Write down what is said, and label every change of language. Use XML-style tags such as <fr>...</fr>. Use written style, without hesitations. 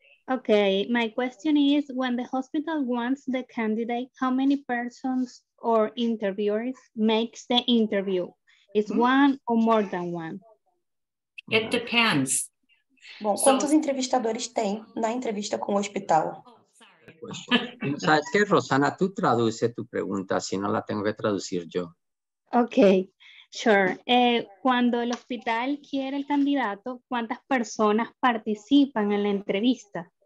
<en>Okay, my question is, when the hospital wants the candidate, how many persons or interviewers makes the interview? Is one or more than one? It depends.</en> <pt>Bom, quantos entrevistadores tem na entrevista com o hospital?</pt> <es>Pues, ¿sabes qué, Rosana? Tú traduce tu pregunta, si no la tengo que traducir yo.</es> <en>Ok, sure.</en> <es>Cuando el hospital quiere el candidato, ¿cuántas personas participan en la entrevista?</es>